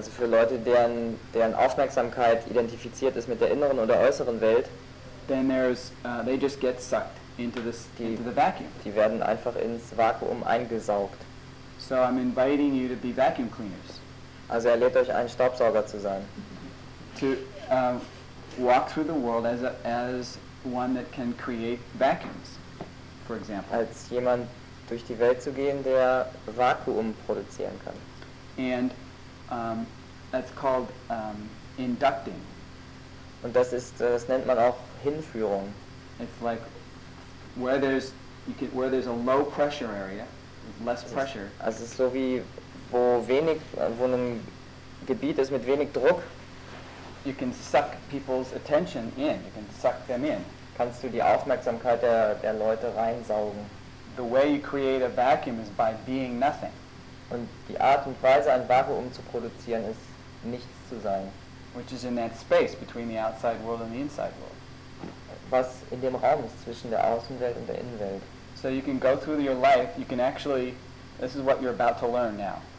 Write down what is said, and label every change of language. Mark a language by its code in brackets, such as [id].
[de] Also für Leute, deren Aufmerksamkeit identifiziert ist mit der inneren oder äußeren Welt. [en] Then there's they just get sucked into this into the vacuum. [de] Die werden einfach ins Vakuum eingesaugt. [en] So I'm inviting you to be vacuum cleaners. [de] Also er lädt euch ein, Staubsauger zu sein. [en] To walk through the world as one that can create vacuums, for example. [de] Als jemand durch die Welt zu gehen, der Vakuum produzieren kann. [en] And that's called inducting. [de] Und das ist, das nennt man auch Hinführung. [en] It's like where there's a low pressure area, less pressure. [de] Also es ist so wie wo wenig, wo ein Gebiet ist mit wenig Druck. [en] You can suck people's attention in. You can suck them in. [de] Kannst du die Aufmerksamkeit der Leute reinsaugen? [en] The way you create a vacuum is by being nothing. [de] Und die Art und Weise, ein Vakuum zu produzieren, ist nichts zu sein. [en] Which is in that space between the outside world and the inside world. [de] Was in dem Raum ist zwischen der Außenwelt und der Innenwelt. [en] So you can go through your life, you can actually, this is what you're about to learn now.